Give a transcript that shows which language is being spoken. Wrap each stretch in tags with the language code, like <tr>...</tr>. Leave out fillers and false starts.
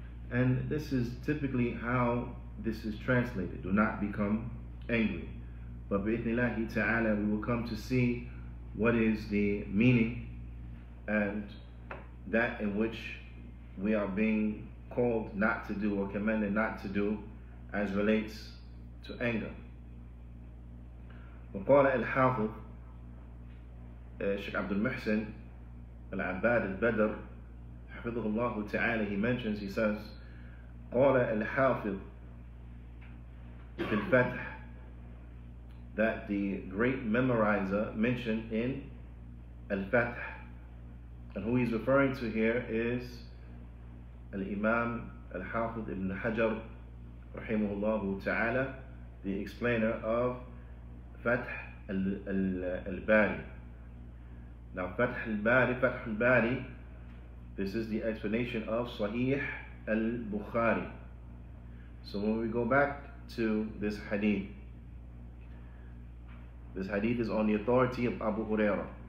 <en>And this is typically how this is translated, do not become angry. But</en> <ar>بإذن الله تعالى,</ar> <en>we will come to see what is the meaning and that in which we are being called not to do or commanded not to do as relates to anger.</en> <ar>وقال الحافظ شيخ عبد المحسن العباد البدر حفظه الله تعالى,</ar> <en>he mentions, he says,</en> <ar>قال الحافظ</ar> <en>في الفتح, that the great memorizer mentioned in الفتح, and who he's referring to here is الإمام الحافظ ابن حجر</en> <ar>رحمه الله تعالى,</ar> <en>the explainer of فتح الباري. Now فتح الباري, فتح الباري, this is the explanation of صحيح البخاري. So when we go back to this hadith is on the authority of Abu Huraira.</en>